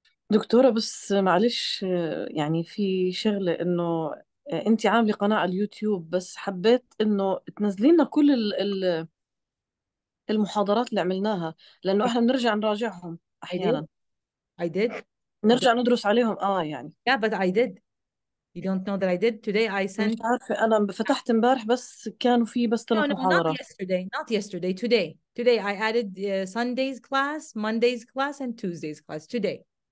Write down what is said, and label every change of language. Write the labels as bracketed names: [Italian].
[Arabic] دكتورة بس معلش يعني في شغلة انه انت عاملة قناة على اليوتيوب بس حبيت انه تنزلينا كل المحاضرات اللي عملناها لانه احنا بنرجع نراجعهم احيانا [English] I did [Arabic] نرجع ندرس عليهم. يعني [English] yeah but I did, you don't know that I did today. I sent, [Arabic] مش عارفة أنا فتحت مبارح بس كانوا في بس ثلاث محاضرة. [English] Not yesterday, not yesterday, today. Today I added Sunday's class, Monday's class and Tuesday's class today.